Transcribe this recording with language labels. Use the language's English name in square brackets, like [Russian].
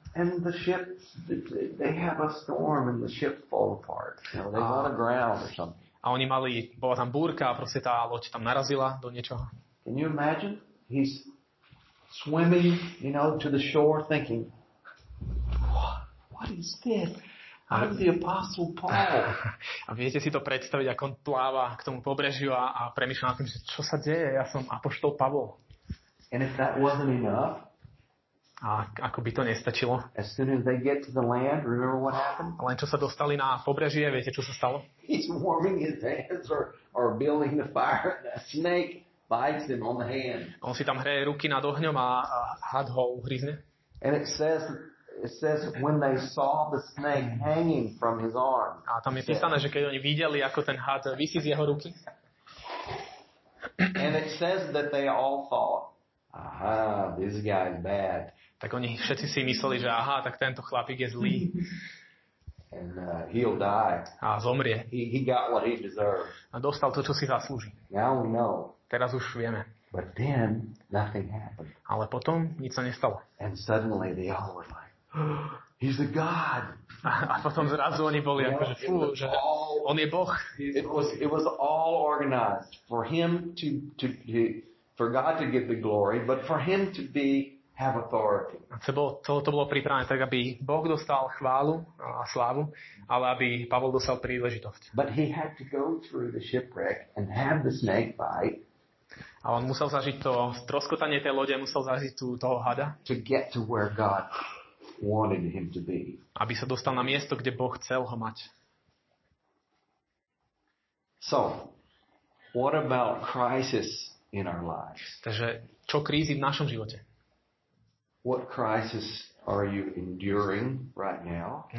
[English] And the ship, they have a storm and the ship fall apart. You know, they run aground or something. [Slovak] A oni mali, bola tam búrka a proste tá loď tam narazila do niečoho. [English] Can you imagine? He's swimming, you know, to the shore thinking, what is this? I'm the Apostle Paul. [Slovak] A viete si to predstaviť, ako on pláva k tomu pobrežiu a premýšľa na tým, že čo sa deje, ja som Apoštol Pavol. [English] And if that wasn't enough, [Slovak] a ako by to nestačilo? [English] As soon as they get to the land, remember what happened? [Slovak] A len čo sa dostali na pobrežie, viete, čo sa stalo? [English] He's warming his hands or building the fire. A snake bites him on the hand. [Slovak] On si tam hreje ruky nad ohňom a had ho uhryzne. [English] And it says when they saw the snake hanging from his arm. [Slovak] A tam je písané, že keď oni videli, ako ten had visí z jeho ruky. [English] And it says that they all thought, aha, this guy is bad. [Slovak] Tak oni všetci si mysleli, že aha, tak tento chlapík je zlý. [English] And he'll die. [Slovak] A zomrie. [English] He got what he deserved. [Slovak] A dostal to, čo si zaslúži. [English] Now we know. [Slovak] Teraz už vieme. [English] But then nothing happened. [Slovak] Ale potom nič sa nestalo. [English] And suddenly they all were like, he's a god. [Slovak] A potom zrazu oni boli akože fú, že on je Boh. [English] It was all organized for him for God to get the glory, but for him to be have authority. [Slovak] To bolo pripravené tak, aby Boh dostal chválu a slávu, ale aby Pavol dostal príležitosť. [English] But he had to go through the shipwreck and have the snake bite. [Slovak] A on musel zažiť to stroskotanie tej lode, musel zažiť toho hada. [English] To get to where God wanted him to be. [Slovak] Aby sa dostal na miesto, kde Boh chcel ho mať. [English] So, what about crisis in our lives? [Slovak] Takže čo krízy v našom živote? [English] What crisis are you enduring right now?